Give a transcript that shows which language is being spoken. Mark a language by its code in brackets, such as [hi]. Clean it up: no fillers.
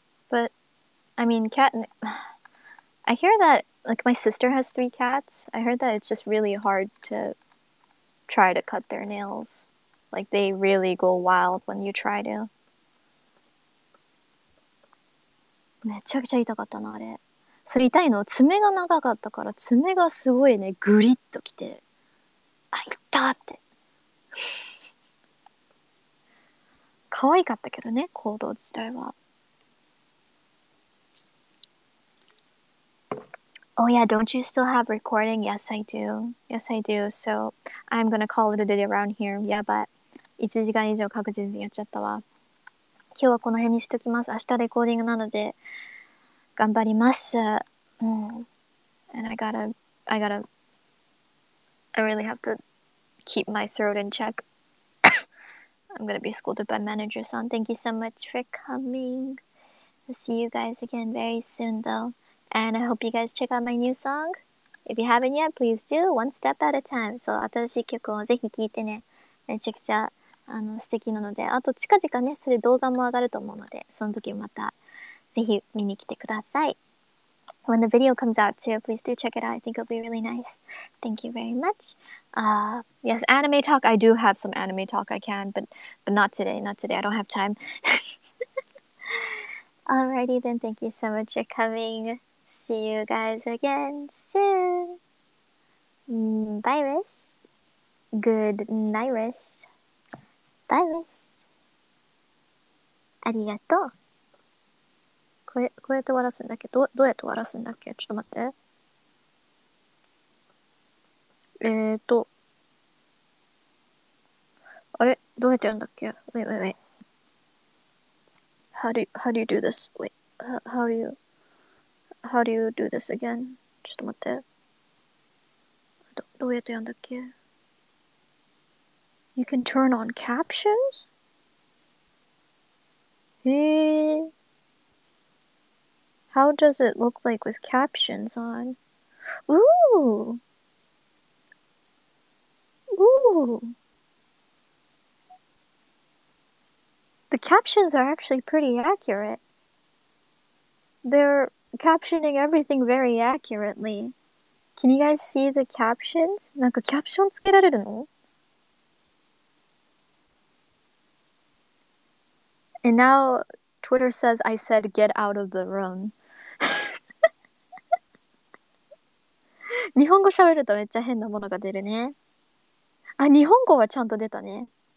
[en] But, I mean, I hear that, like, my sister has 3 cats. I heard that it's just really hard to try to cut their nails. Like, they really go wild when you try to. [ja] めちゃくちゃ痛かったな、あれ。それ痛いの、爪が長かったから、爪がすごいね、グリッときて。あ、いったーって。可愛かったけどね、行動自体は。 [en] Oh yeah, don't you still have recording? Yes, I do. Yes, I do. So, I'm gonna call it a day around here. Yeah, but [ja] 1時間以上確実にやっちゃったわ。今日はこの辺にしときます。明日レコーディングなので頑張ります。 [en] And I really have to keep my throat in check. I'm going to be scolded by manager-san. Thank you so much for coming. I'll see you guys again very soon, though. And I hope you guys check out my new song. If you haven't yet, please do. One Step at a Time. [ja] So, 新しい曲をぜひ聴いてね。めちゃくちゃ素敵なので。あと、近々ね、それ動画も上がると思うので、その時またぜひ見に来てください。 [en] When the video comes out too, please do check it out. I think it'll be really nice. Thank you very much. Yes, anime talk. I do have some anime talk I can, but not today. Not today. I don't have time. Alrighty then. Thank you so much for coming. See you guys again soon. Bye, Riss. Good night, Riss. Bye, Riss. [ja] ありがとう。こうやって終わらすんだっけ？どうやって終わらすんだっけ？ちょっと待って。あれ、どうやってやるんだっけ。 [en] Wait. How do you do this? How do you do this again? [ja] ちょっと待って。どうやってやるんだっけ。 [en] You can turn on captions? How does it look like with captions on? Ooh! The captions are actually pretty accurate. They're captioning everything very accurately. Can you guys see the captions? [ja] なんかキャプションつけられるの? [en] And now Twitter says I said get out of the room. [ja] 日本語喋るとめっちゃ変なものが出るね。あ、日本語はちゃんと出たね。